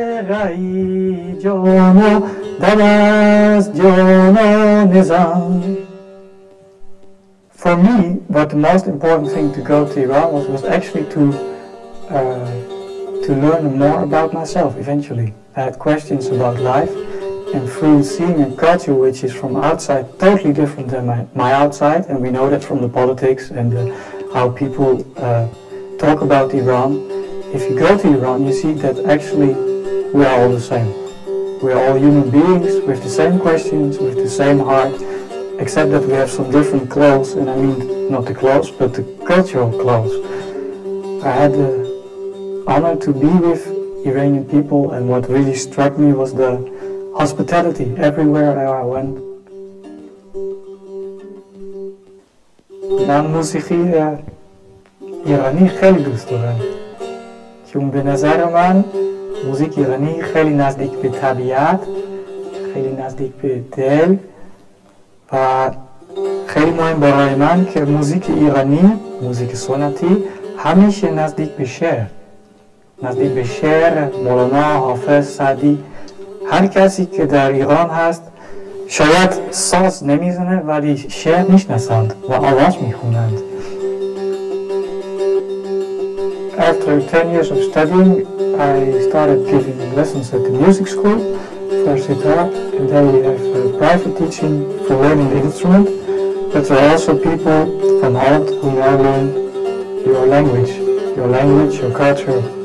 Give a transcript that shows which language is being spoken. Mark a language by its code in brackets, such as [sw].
[en] رای جانو دانست جانو نزام. For me, but the most important thing to go to Iran was actually to learn more about myself. Eventually, I had questions about life, and through seeing a culture which is from outside totally different than my outside, and we know that from the politics and how people talk about Iran. If you go to Iran, you see that actually. We are all the same. We are all human beings with the same questions, with the same heart, except that we have some different clothes, and I mean not the clothes, but the cultural clothes. I had the honor to be with Iranian people, and what really struck me was the hospitality everywhere I went. [fa] من موسیقی ایرانی خیلی دوست دارم. چون به نظر من موزیک ایرانی خیلی نزدیک به طبیعت، خیلی نزدیک به دل و خیلی مهم برای من که موزیک ایرانی، موزیک سنتی همیشه نزدیک به شعر، نزدیک به شعر، مولانا، حافظ، سعدی، هر کسی که در ایران هست شاید ساز نمیزنه ولی شعر میشناسند و آواز میخونند. [en] After 10 years of studying, I started giving lessons at the music school, first guitar, and then we have private teaching for learning the instrument. But there are also people from out who now learn your language, your culture.